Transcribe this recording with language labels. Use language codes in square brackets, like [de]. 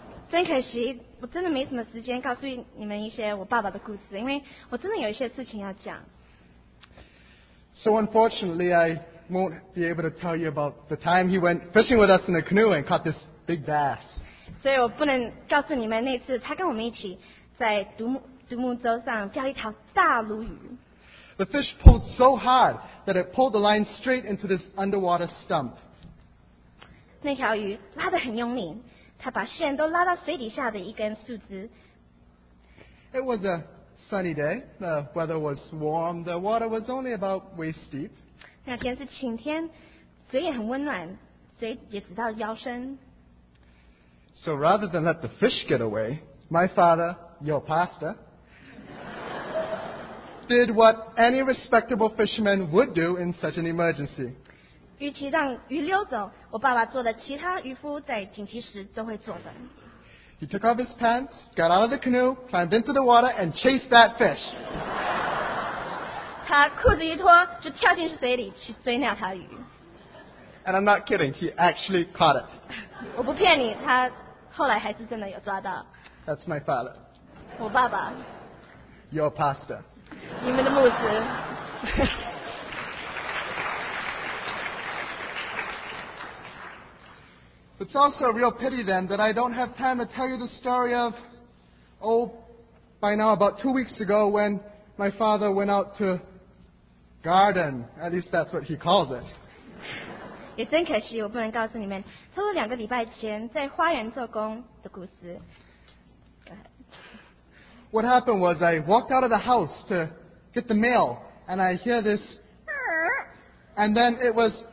[zh] 真可惜，我真的没什么时间告诉你们一些我爸爸的故事，因为我真的有一些事情要讲。 [en] So unfortunately, I won't be able to tell you about the time he went fishing with us in a canoe and caught this big bass. [zh] 所以我不能告诉你们那次他跟我们一起在独木舟上钓一条大鲈鱼。 [en] The fish pulled so hard that it pulled the line straight into this underwater stump. [zh] 那条鱼拉得很用力，他把线都拉到水底下的一根树枝。 [en] It was a sunny day. The weather was warm. The water was only about waist deep. [zh] 那天是晴天，水也很温暖，水也只到腰深。 [en] So rather than let the fish get away, my father, your pastor, did what any respectable fisherman would do in such an emergency. [zh] 与其让鱼溜走，我爸爸做的其他渔夫在紧急时都会做的。 [en] He took off his pants, got out of the canoe, climbed into the water, and chased that fish. [zh] 他裤子一脱，就跳进水里去追那条鱼。 [en] And I'm not kidding, he actually caught it. [zh] 我不骗你，他后来还是真的有抓到。 [en] That's my father. [zh] 我爸爸。 [en] Your pastor. [zh] 你们的牧师。 [en] It's also a real pity then that I don't have time to tell you the story of, oh, by now about 2 weeks ago when my father went out to garden. At least that's what he calls it. [zh] 也真可惜，我不能告诉你们，差不多两个礼拜前在花园做工的故事。 [en] What happened was I walked out of the house to get the mail, and I hear this, and then it was.